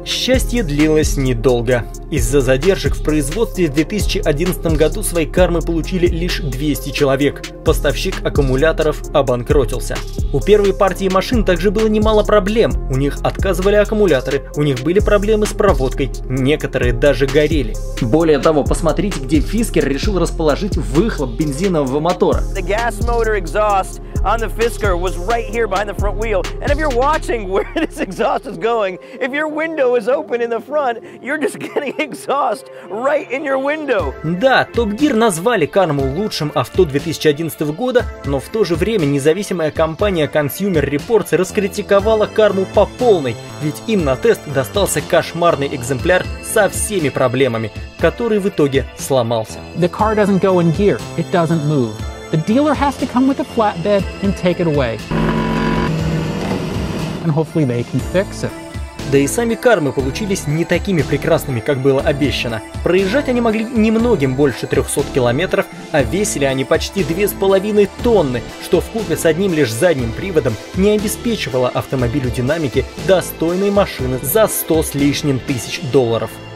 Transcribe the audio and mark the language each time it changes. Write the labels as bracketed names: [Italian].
[Russian] Счастье длилось недолго. Из-за задержек в производстве в 2011 году свои кармы получили лишь 200 человек. Поставщик аккумуляторов обанкротился. У первой партии машин также было немало проблем. У них отказывали аккумуляторы, у них были проблемы с проводкой, некоторые даже горели. Более того, посмотрите, где Фискер решил расположить выхлоп бензинового мотора. [English] The gas motor exhaust on the Fisker was right here behind the front wheel. And if you're watching where this exhaust is going, if your window is open in the front, you're just getting exhaust right in your window. [Russian] Да, Top Gear назвали карму лучшим авто 2011 года, но в то же время независимая компания Consumer Reports раскритиковала карму по полной, ведь им на тест достался кошмарный экземпляр со всеми проблемами, который в итоге сломался. [English] The car doesn't go in gear, it doesn't move. The dealer has to come with a flatbed and take it away. And hopefully they can fix it. [Russian] Да и сами кармы получились не такими прекрасными, как было обещано. Проезжать они могли немногим больше 300 километров, а весили они почти 2,5 тонны, что вкупе с одним лишь задним приводом не обеспечивало автомобилю динамики достойной машины за 100 с лишним тысяч долларов.